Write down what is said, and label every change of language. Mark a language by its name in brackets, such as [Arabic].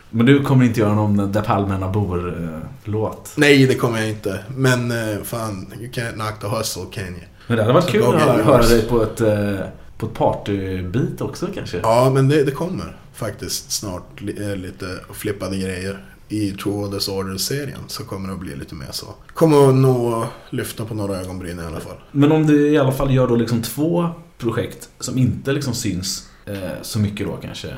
[Swedish] Men du kommer inte göra någon Där palmerna bor låt? Nej, det kommer jag inte. Men fan, [English] you can't knock the hustle, can you? [Swedish] Men det hade varit kul att höra dig på ett... På ett partybit också kanske? Ja, men det kommer faktiskt snart lite flippade grejer. I Two Orders Order-serien så kommer det att bli lite mer så. Kommer att nå lyfta på några ögonbryn i alla fall. Men om du i alla fall gör då liksom två projekt som inte liksom syns så mycket då kanske,